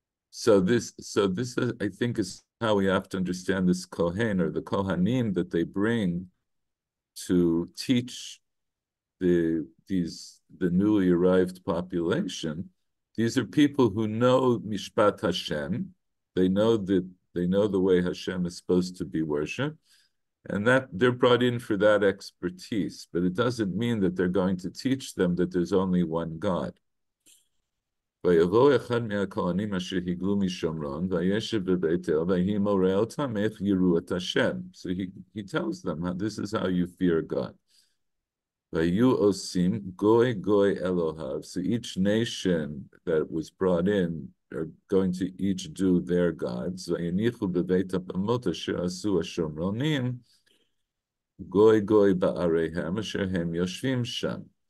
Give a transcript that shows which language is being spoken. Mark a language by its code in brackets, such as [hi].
[en] So this, I think, is how we have to understand this Kohen, or the Kohanim that they bring to teach the newly arrived population. These are people who know Mishpat Hashem. They know the way Hashem is supposed to be worshipped. And that they're brought in for that expertise, but it doesn't mean that they're going to teach them that there's only one God. [he] ויבוא אחד מהכהנים אשר הגלו משומרון, וישב בביתו, והיא מורה אותם איך יראו את השם. [en] So he tells them, this is how you fear God. [he] ויהיו עושים גוי גוי אלוהיו. [en] So each nation that was brought in are going to each do their gods. [he] ויניחו בבית הבמות אשר עשו השומרונים, גוי גוי בעריהם אשר הם יושבים שם.